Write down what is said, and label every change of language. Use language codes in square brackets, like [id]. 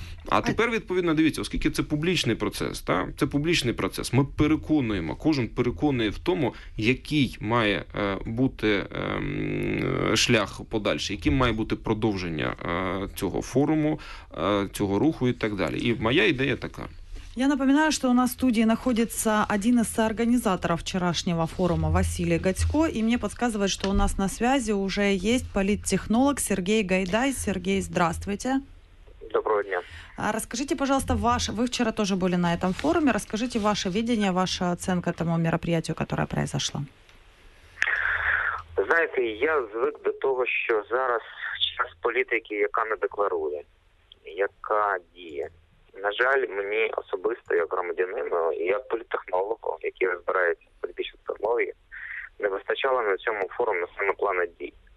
[uk] А тепер, відповідно, дивіться, оскільки це публічний процес, та? Це публічний процес, ми переконуємо, кожен переконує в тому, який має бути шлях подальший, яким має бути продовження цього форуму, цього руху і так далі. І моя ідея така. [ru] Я напоминаю, что у нас в студии находится один из соорганизаторов вчерашнего форума Василий Гатько, и мне подсказывает, что у нас на связи уже есть политтехнолог Сергей Гайдай. Сергей, здравствуйте. [uk] Доброго дня. [ru] Расскажите, пожалуйста, вы вчера тоже были на этом форуме, расскажите ваше видение, ваша оценка тому мероприятию, которое произошло. Знаете, [uk] я звик до того, [ru] что [uk] зараз час политики, яка не декларує, яка діє. На жаль, мені особисто, як громадянину і як політтехнологу, який розбирається в політичній технології, не вистачало на цьому форумі саме плану дій.